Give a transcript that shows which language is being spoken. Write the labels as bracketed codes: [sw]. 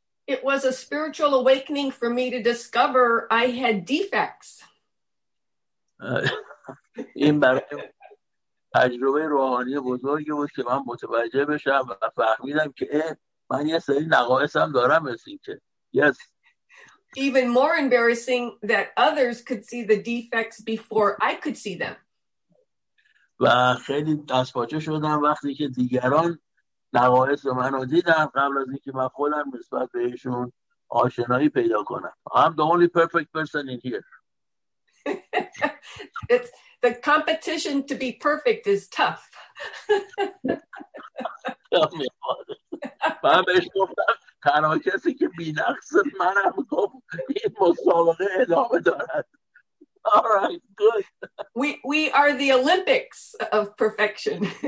[en] It was a spiritual awakening for me to discover I had defects. [fa] این برای تجربه روحانی بزرگی بود که من متوجه بشم و فهمیدم که من یه سری نقایصم دارم مثل این که yes. [en] Even more embarrassing that others could see the defects before I could see them. [fa] و خیلی دستپاچه شدم وقتی که دیگران نقایص منو دیدن قبل از اینکه من خودم نسبت بهشون آشنایی پیدا کنم. [en] I'm the only perfect person in here. It's the competition to be perfect is tough. [fa] من بهش گفتم تنها کسی که بی نقص منم گفت این مسابقه ادامه دارد. [en] All right, good. We are the Olympics of perfection.